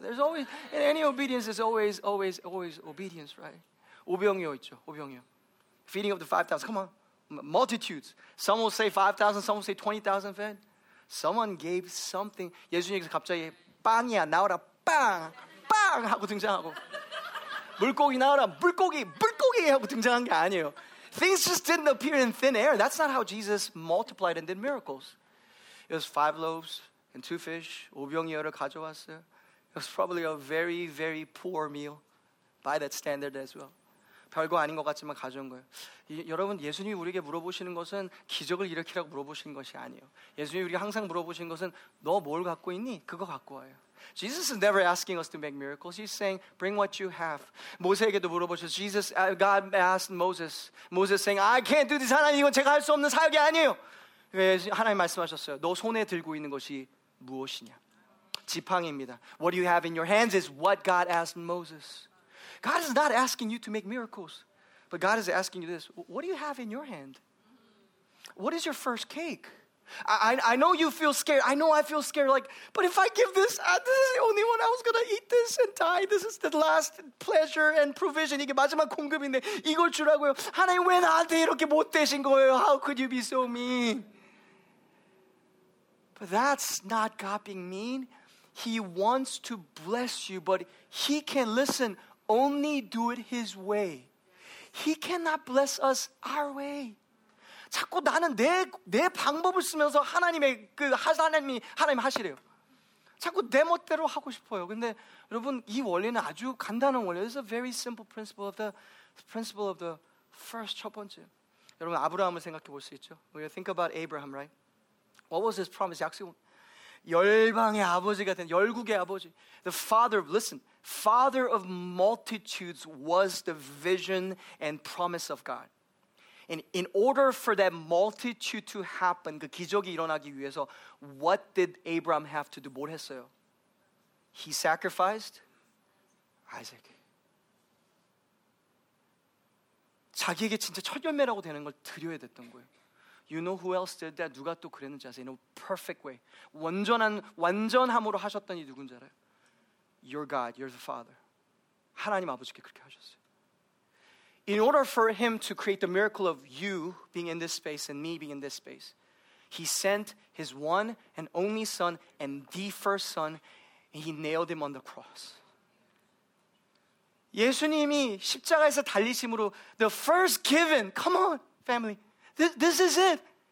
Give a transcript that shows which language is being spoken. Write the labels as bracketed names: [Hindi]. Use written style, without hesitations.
[English] There's always in any obedience is always obedience, right? [Korean] 오병이어 있죠. 오병이어. [English] Feeding of the 5,000. Come on. Multitudes. Some will say 5,000, some will say 20,000 fed. Someone gave something. [Korean] 예수님께서 갑자기 빵이야 나와라 빵 빵 하고 등장하고 물고기 나와라 물고기 물고기 하고 등장한 게 아니에요. [English] Things just didn't appear in thin air. That's not how Jesus multiplied and did miracles. It was 5 loaves and 2 fish. [Korean] 오병이어를 가져왔어요. [English] It was probably a very very poor meal by that standard as well. [Korean] 별거 아닌 것 같지만 가져온 거예요. 여러분 예수님이 우리에게 물어보시는 것은 기적을 일으키라고 물어보시는 것이 아니에요. 예수님이 우리에게 항상 물어보시는 것은 너 뭘 갖고 있니? 그거 갖고 와요. [English] Jesus is never asking us to make miracles. He's saying, bring what you have. [Korean] 모세에게도 물어보셨어요. [English] Jesus, God asked Moses. Moses saying, I can't do this. [Korean] 하나님 이건 제가 할 수 없는 사역이 아니에요. 하나님 말씀하셨어요. 너 손에 들고 있는 것이 무엇이냐? 지팡이입니다. [English] What you have in your hands is what God asked Moses. God is not asking you to make miracles, but God is asking you this. What do you have in your hand? What is your first cake? I know you feel scared. I know I feel scared. Like, but if I give this, this is the only one I was going to eat this and die. This is the last pleasure and provision. [Korean] 이게 마지막 공급인데 이걸 주라고요. 하나님 왜 나한테 이렇게 못 되신 거예요? [English] How could you be so mean? But that's not God being mean. He wants to bless you, but he can listen. Only do it his way. He cannot bless us our way. [Korean] 자꾸 나는 내 방법을 쓰면서 하나님의 그 하나님 하시래요. 자꾸 내 멋대로 하고 싶어요. 근데 여러분 이 원리는 아주 간단한 원리예요. [English] It's a very simple principle of the principle of the first 첫 번째. [Korean] 여러분 아브라함을 생각해 볼 수 있죠. [English] We think about Abraham, right? What was his promise? 약속. [Korean] 열방의 아버지가 된 열국의 아버지. [English] The father of listen. Father of multitudes was the vision and promise of God. And in order for that multitude to happen, [Korean] 그 기적이 일어나기 위해서, [English] what did Abraham have to do? [Korean] 뭘 했어요? [English] He sacrificed Isaac. [Korean] 자기에게 진짜 첫열매라고 되는 걸 드려야 됐던 거예요. [English] You know who else did that? [Korean] 누가 또 그랬는지 아세요? [English] In a perfect way. [Korean] 완전함으로 하셨던 이 누군지 알아요? [English] Your God, you're the Father. [Korean] 하나님 아버지께 그렇게 하셨어요. [English] In order for him to create the miracle of you being in this space and me being in this space, he sent his one and only son and the first son and he nailed him on the cross. [Korean] 예수님이 십자가에서 달리심으로 [English] the first given, come on, family, this is it.